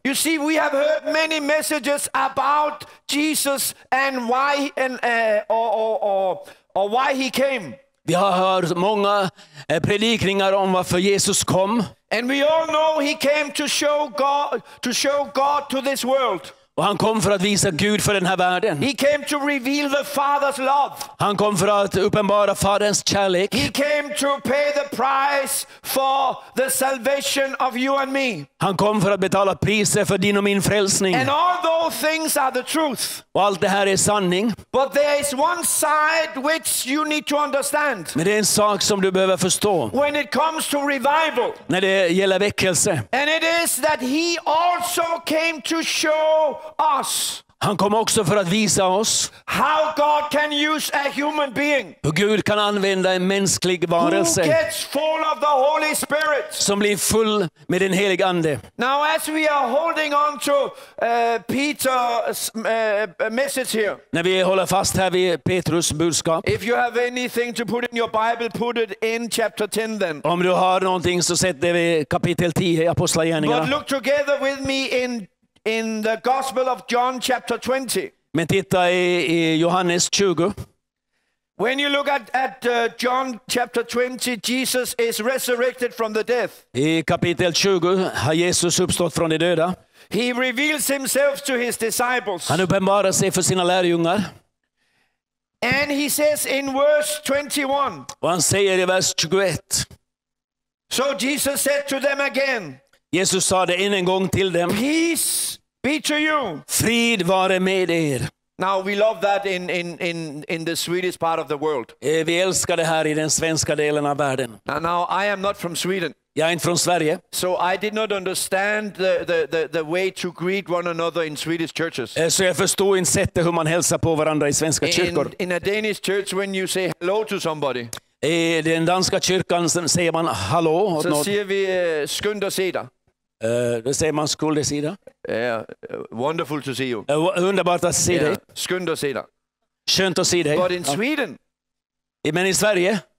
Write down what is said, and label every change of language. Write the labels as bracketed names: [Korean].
[English] You see we have heard many messages about Jesus and why or why he came. [Swedish] Vi har hört många predikningar om varför Jesus kom. [English] And we all know he came to show God to this world. [Swedish] Och han kom för att visa Gud för den här världen. [English] He came to reveal the Father's love. [Swedish] Han kom för att uppenbara Faderns kärlek. [English] He came to pay the price for the salvation of you and me. [Swedish] Han kom för att betala priset för din och min frälsning. [English] And all those things are the truth. [Swedish] Och allt det här är sanning. [English] But there is one side which you need to understand. [Swedish] Men det är en sak som du behöver förstå. [English] When it comes to revival. [Swedish] När det gäller väckelse. [English] And it is that he also came to show us. [Swedish] Han kom också för att visa oss [English] how God can use a human being. [Swedish] Hur Gud kan använda en mänsklig varelse. [English] Who gets full of the Holy Spirit. [Swedish] Som blir full med den helige ande. [English] Now as we are holding on to Peter's message here. [Swedish] När vi håller fast här vid Petrus budskap. [English] If you have anything to put in your Bible, put it in chapter 10 then. [Swedish] Om du har någonting så sätt det vid kapitel 10 i Apostlagärningarna. [English] But look together with me in the Gospel of John chapter 20. [Swedish] Men titta i Johannes 20. [English] When you look at John chapter 20, Jesus is resurrected from the death. [Swedish] I kapitel 20 har Jesus uppstått från de döda. [English] He reveals himself to his disciples. [Swedish] Han uppenbarar sig för sina lärjungar. [English] And he says in verse 21. [Swedish] Och han säger i vers 21. [English] So Jesus said to them again. [Swedish] Jesus sa det en gång till dem. [English] Peace be to you. [Swedish] Frid vare med er. [English] Now we love that in the Swedish part of the world. [Swedish] Vi älskar det här i den svenska delen av världen. [English] Now I am not from Sweden. [Swedish] Jag är inte från Sverige. [English] So I did not understand the way to greet one another in Swedish churches. [Swedish] Så jag förstår inte sättet hur man hälsar på varandra i svenska kyrkor. [English] In a Danish church when you say hello to somebody. [Swedish] I den danska kyrkan säger man hallå. Så säger vi skunda sida. Då säger man skulda sida. [English] Yeah, wonderful to see you. [Swedish] Underbart att se dig. Skunda sida. Skönt att se dig. [English] But in Sweden. [Swedish] Men i Sverige.